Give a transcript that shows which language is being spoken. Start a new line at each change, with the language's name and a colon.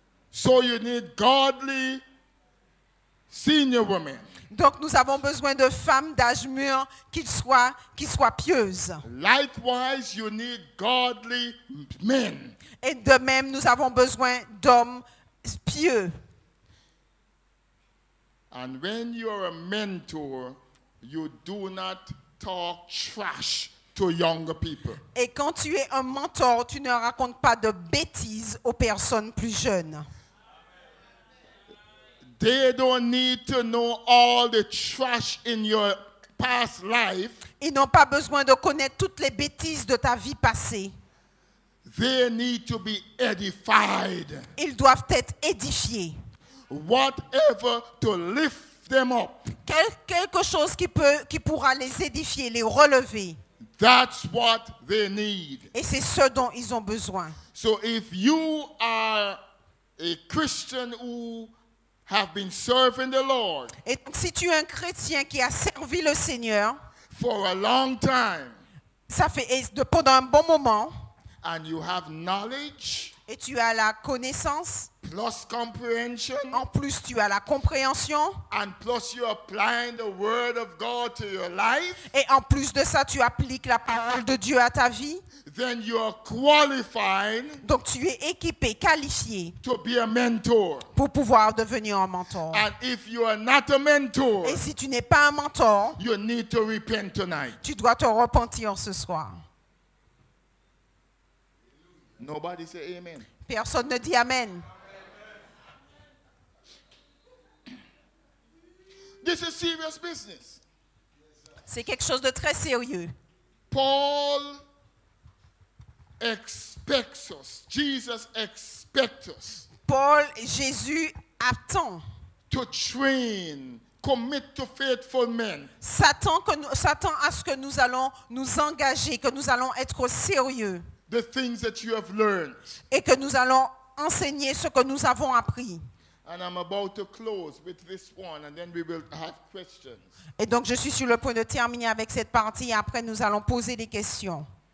English: So you need godly senior women.
French: Donc nous avons besoin de femmes d'âge mûr qui soient pieuses.
English: Likewise, you need godly men.
French: Et de même, nous avons besoin d'hommes pieux.
English: And when you are a mentor, you do not talk trash to younger people.
French: Et quand tu es un mentor, tu ne racontes pas de bêtises aux personnes plus jeunes.
English: They don't need to know all the trash in your past life.
French: Ils n'ont pas besoin de connaître toutes les bêtises de ta vie passée.
English: They need to be edified.
French: Ils doivent être édifiés.
English: Whatever to lift them up.
French: Quelque chose qui pourra les édifier, les relever.
English: That's what they need.
French: Et c'est ce dont ils ont besoin.
English: So if you are a Christian who have been serving the Lord.
French: Et si tu es un chrétien qui a servi le Seigneur
English: for a long time,
French: ça fait pendant un bon moment,
English: and you have knowledge,
French: et tu as la connaissance,
English: plus comprehension,
French: en plus tu as la compréhension,
English: and plus you're applying the word of God to your life,
French: et en plus de ça tu appliques la parole de Dieu à ta vie,
English: then you are qualified,
French: donc tu es équipé, qualifié,
English: to be a mentor,
French: pour pouvoir devenir un mentor.
English: And if you are not a mentor,
French: et si tu n'es pas un mentor,
English: you need to repent tonight.
French: Tu dois te repentir ce soir.
English: Nobody say amen.
French: Personne ne dit amen.
English: This is serious business.
French: C'est quelque chose de très sérieux.
English: Paul expects us. Jesus expects us.
French: Paul, Jésus attend.
English: To train, commit to faithful men.
French: Satan à ce que nous allons nous engager, que nous allons être sérieux.
English: The things that you have learned.
French: Et que nous allons enseigner ce que nous avons appris.
English: And I'm about to close with this one, and then we will have questions.
French: Et donc je suis sur le point de terminer avec cette partie, et après nous allons poser des questions.